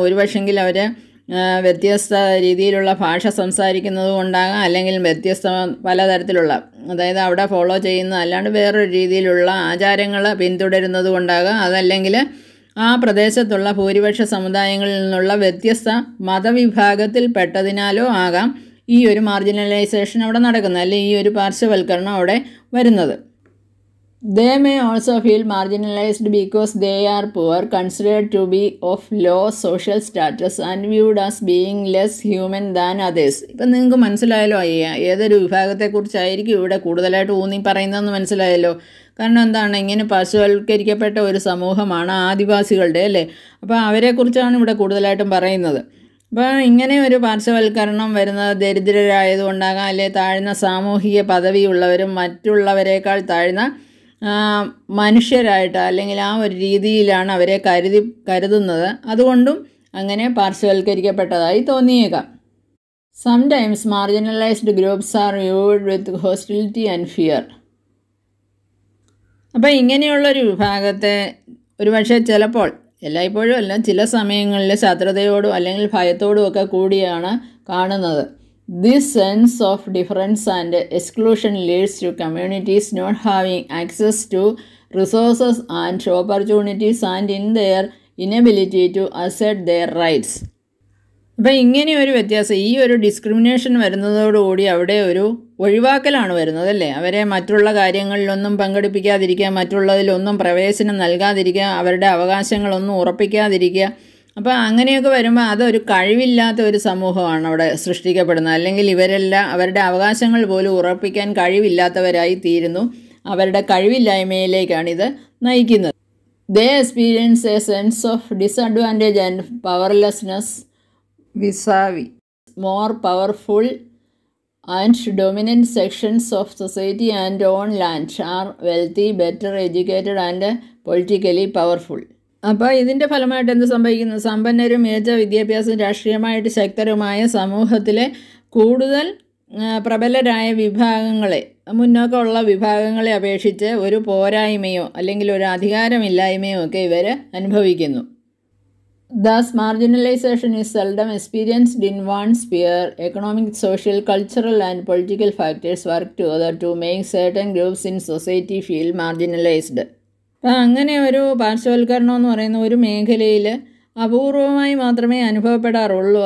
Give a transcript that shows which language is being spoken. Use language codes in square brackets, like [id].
[ml] ഒരു പക്ഷേങ്കിൽ അവർ വ്യത്യസ്ത രീതിയിലുള്ള ഭാഷ സംസാരിക്കുന്നത് കൊണ്ടാകാം, അല്ലെങ്കിൽ വ്യത്യസ്ത പലതരത്തിലുള്ള അതായത് അവിടെ ഫോളോ ചെയ്യുന്ന അല്ലാണ്ട് വേറൊരു രീതിയിലുള്ള ആചാരങ്ങൾ പിന്തുടരുന്നത് കൊണ്ടാകാം, അതല്ലെങ്കിൽ ആ പ്രദേശത്തുള്ള ഭൂരിപക്ഷ സമുദായങ്ങളിൽ നിന്നുള്ള വ്യത്യസ്ത മതവിഭാഗത്തിൽപ്പെട്ടതിനാലോ ആകാം ഈ ഒരു മാർജിനലൈസേഷൻ അവിടെ നടക്കുന്നത്, അല്ലെങ്കിൽ ഈ ഒരു പാർശ്വവൽക്കരണം അവിടെ വരുന്നത്. [en] They may also feel marginalized because they are poor, considered to be of low social status and viewed as being less human than others. [ml] ഇപ്പം നിങ്ങൾക്ക് മനസ്സിലായല്ലോ ഏതൊരു വിഭാഗത്തെക്കുറിച്ചായിരിക്കും ഇവിടെ കൂടുതലായിട്ട് ഊന്നി പറയുന്നതെന്ന് മനസ്സിലായല്ലോ. കാരണം എന്താണ്, ഇങ്ങനെ പാർശ്വവൽക്കരിക്കപ്പെട്ട ഒരു സമൂഹമാണ് ആദിവാസികളുടെ, അല്ലേ? അപ്പോൾ അവരെക്കുറിച്ചാണ് ഇവിടെ കൂടുതലായിട്ടും പറയുന്നത്. അപ്പം ഇങ്ങനെ ഒരു പാർശ്വവൽക്കരണം വരുന്നത് ദരിദ്രരായതുകൊണ്ടാകാം, അല്ലെ താഴ്ന്ന സാമൂഹിക പദവിയുള്ളവരും മറ്റുള്ളവരെക്കാൾ താഴ്ന്ന മനുഷ്യരായിട്ട് അല്ലെങ്കിൽ ആ ഒരു രീതിയിലാണ് അവരെ കരുതുന്നത്, അതുകൊണ്ടും അങ്ങനെ പാർശ്വവൽക്കരിക്കപ്പെട്ടതായി തോന്നിയേക്കാം. [en] Sometimes marginalised groups are viewed with hostility and fear. [ml] അപ്പം ഇങ്ങനെയുള്ളൊരു വിഭാഗത്തെ ഒരുപക്ഷെ ചിലപ്പോൾ, എല്ലായ്പ്പോഴും അല്ല, ചില സമയങ്ങളിൽ ശത്രുതയോടും അല്ലെങ്കിൽ ഭയത്തോടും ഒക്കെ കൂടിയാണ് കാണുന്നത്. [en] This sense of difference and exclusion leads to communities not having access to resources and opportunities and in their inability to assert their rights. [ml] അപ്പോൾ ഇങ്ങനെ ഒരു വ്യത്യാസം, ഈ ഒരു ഡിസ്ക്രിമിനേഷൻ വരുന്നതോടുകൂടി അവിടെ ഒരു ഒഴിവാക്കലാണ് വരുന്നത്, അല്ലേ? അവരെ മറ്റുള്ള കാര്യങ്ങളിലൊന്നും പങ്കെടുപ്പിക്കാതിരിക്കുക, മറ്റുള്ളതിലൊന്നും പ്രവേശനം നൽകാതിരിക്കുക, അവരുടെ അവകാശങ്ങളൊന്നും ഉറപ്പിക്കാതിരിക്കുക. അപ്പോൾ അങ്ങനെയൊക്കെ വരുമ്പോൾ അതൊരു കഴിവില്ലാത്ത ഒരു സമൂഹമാണ് അവിടെ സൃഷ്ടിക്കപ്പെടുന്നത്, അല്ലെങ്കിൽ ഇവരെല്ലാം അവരുടെ അവകാശങ്ങൾ പോലും ഉറപ്പിക്കാൻ കഴിവില്ലാത്തവരായി തീരുന്നു, അവരുടെ കഴിവില്ലായ്മയിലേക്കാണ് ഇത് നയിക്കുന്നത്. [en] They experience a sense of disadvantage and powerlessness vis a vis more powerful and dominant sections of society and own land are wealthy, better educated and politically powerful. [ml] അപ്പോൾ ഇതിൻ്റെ ഫലമായിട്ട് എന്ത് സംഭവിക്കുന്നു? സമ്പന്നരും മികച്ച വിദ്യാഭ്യാസം രാഷ്ട്രീയമായിട്ട് ശക്തരുമായ സമൂഹത്തിലെ കൂടുതൽ പ്രബലരായ വിഭാഗങ്ങളെ, മുന്നോക്കമുള്ള വിഭാഗങ്ങളെ അപേക്ഷിച്ച് ഒരു പോരായ്മയോ അല്ലെങ്കിൽ ഒരു അധികാരമില്ലായ്മയോ ഒക്കെ ഇവർ അനുഭവിക്കുന്നു. [en] Thus, marginalization is seldom experienced in one sphere. Economic, social, cultural and political factors work together to make certain groups in society feel marginalized. [ml] അപ്പം അങ്ങനെ ഒരു പാർശ്വവൽക്കരണം എന്ന് പറയുന്ന ഒരു മേഖലയിൽ അപൂർവമായി മാത്രമേ അനുഭവപ്പെടാറുള്ളൂ.